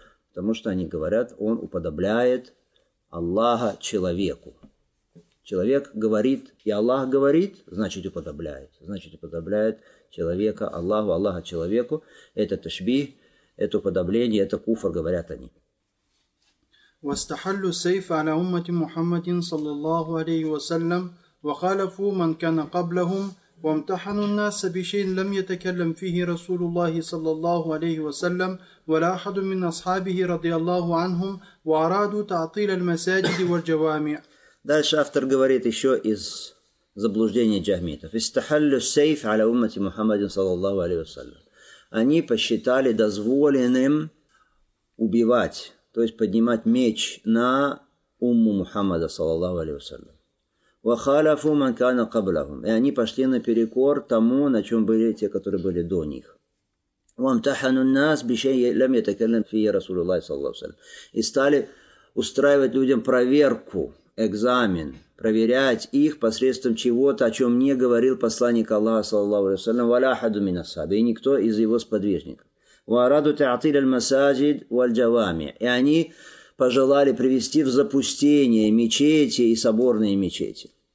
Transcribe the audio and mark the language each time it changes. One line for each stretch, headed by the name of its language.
Russian: Потому что они говорят, он уподобляет Аллаха человеку. Человек говорит, и Аллах говорит, значит уподобляет. Значит уподобляет человека Аллаху, Аллаха человеку. Это ташбих, это уподобление, это куфр, говорят они.
Arabic: واستحلوا السيف على أمة محمد صلى الله عليه وسلم وخالفوا من كان قبلهم وامتحنوا الناس بشيء لم يتكلم فيه رسول الله صلى الله عليه وسلم ولا أحد من أصحابه رضي الله عنهم وأرادوا تعطيل المساجد والجوامع.
Russian: Дальше автор говорит еще из заблуждения джахмитов.
Arabic: استحلوا السيف على أمة محمد صلى الله عليه وسلم.
Russian: Они посчитали дозволенным убивать, то есть поднимать меч на умму Мухаммада, саллаллаху алейхи ва саллям.
Arabic: وَخَالَفُ مَنْ كَانَ قَبْلَهُمْ.
Russian: И они пошли наперекор тому, на чем были те, которые были до них.
Arabic: وَمْتَحَنُ النَّاسِ بِشَيْءٍ لَمْ يَتَكَلَّمْ فِيهِ رَسُولُ اللَّهِ صَلَّى اللَّهُ عَلَيْهِ ва саллям.
Russian: И стали устраивать людям проверку, экзамен, проверять их посредством чего-то, о чем не говорил посланник Аллаха, саллаллаху алейхи ва саллям,
Arabic: وَلَا أَحَدُ مِنَ الصَّحَابَةِ.
Russian: И никто из его сподвижников.
Arabic: وَأَرَادُوا تَعْطِيلَ الْمَسَاجِدِ وَالْجَوَامِعِ.
Russian: И они пожелали привести в запустение мечети и соборные мечети.